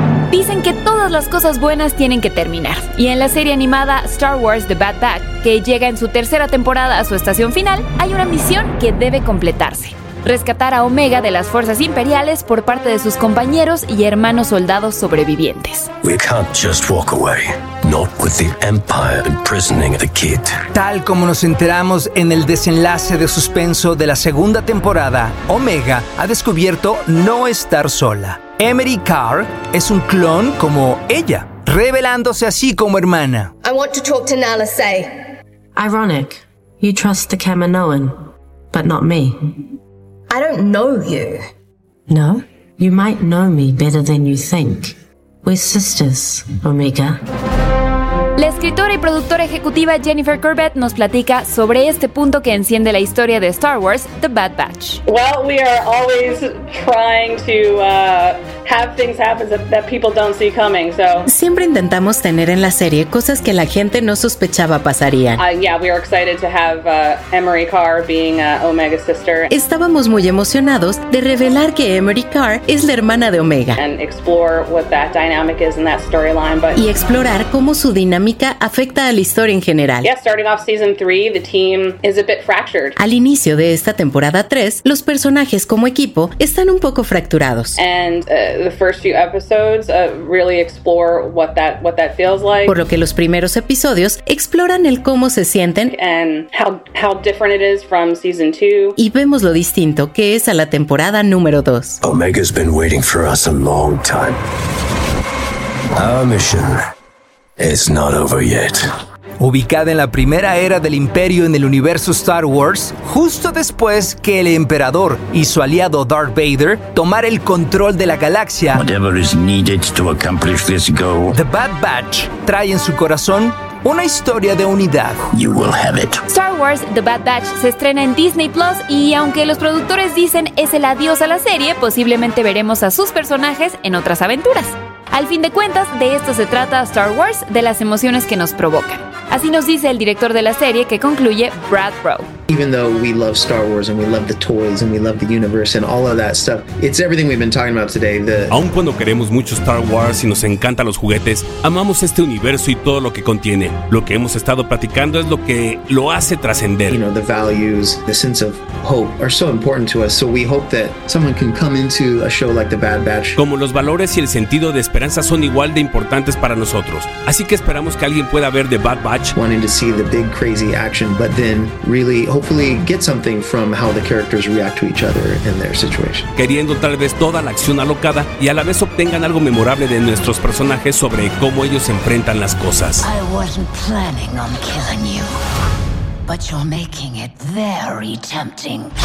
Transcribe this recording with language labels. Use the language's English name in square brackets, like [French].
[Spanish] Dicen que todas las cosas buenas tienen que terminar. Y en la serie animada Star Wars The Bad Batch, que llega en su tercera temporada a su estación final, hay una misión que debe completarse. Rescatar a Omega de las fuerzas imperiales por parte de sus compañeros y hermanos soldados sobrevivientes. [English] We can't just walk away, not with the Empire imprisoning the kid. [Spanish] Tal como nos enteramos en el desenlace de suspenso de la segunda temporada, Omega ha descubierto no estar sola. Emery Carr es un clon como ella, revelándose así como hermana. [English] I want to talk to Nala Say. Ironic. You trust the Kaminoan, but not me. I don't know you. No? You might know me better than you think. We're sisters, Omega. [Spanish] La escritora y productora ejecutiva Jennifer Corbett nos platica sobre este punto que enciende la historia de Star Wars, The Bad Batch. [English] Well, we are always trying to have things happen that people don't see coming. So [Spanish] siempre intentamos tener en la serie cosas que la gente no sospechaba pasarían. [English] We were excited to have Emery Carr being Omega's sister. [Spanish] Estábamos muy emocionados de revelar que Emery Carr es la hermana de Omega. [English] And explore what that dynamic is in that storyline. [Spanish] Y explorar cómo su dinámica afecta a la historia en general. [English] Yeah, starting off season 3, the team is a bit fractured. [Spanish] Al inicio de esta temporada 3, los personajes como equipo están un poco fracturados. [English] And the first few episodes really explore what that feels like. [Spanish] Por lo que los primeros episodios exploran el cómo se sienten [English] and how different it is from season 2. [Spanish] Y vemos lo distinto que es a la temporada número 2. [English] Omega's been waiting for us a long time. Our mission is not over yet. [Spanish] Ubicada en la primera era del Imperio en el universo Star Wars, justo después que el Emperador y su aliado Darth Vader tomara el control de la galaxia, [English] whatever is needed to accomplish this goal, [Spanish] The Bad Batch trae en su corazón una historia de unidad. [English] You will have it. [Spanish] Star Wars The Bad Batch se estrena en Disney Plus y aunque los productores dicen es el adiós a la serie, posiblemente veremos a sus personajes en otras aventuras. Al fin de cuentas, de esto se trata Star Wars, de las emociones que nos provocan. Así nos dice el director de la serie, que concluye Brad Rowe. [English] Even though we love Star Wars and we love the toys and we love the universe and all of that stuff, it's everything we've been talking about today. [Spanish] Aun cuando queremos mucho Star Wars y nos encantan los juguetes, amamos este universo y todo lo que contiene. Lo que hemos estado platicando es lo que lo hace trascender. [English] You know, the values, the sense of hope are so important to us. So we hope that someone can come into a show like The Bad Batch. [Spanish] Como los valores y el sentido de esperanza son igual de importantes para nosotros. Así que esperamos que alguien pueda ver The Bad Batch. [English] Wanting to see the big crazy action, but then really hopefully get something from how the characters react to each other in their situation. [Spanish] Queriendo tal vez toda la acción alocada y a la vez obtengan algo memorable de nuestros personajes sobre cómo ellos enfrentan las cosas. [English] I wasn't planning on killing you, but you're making it very tempting.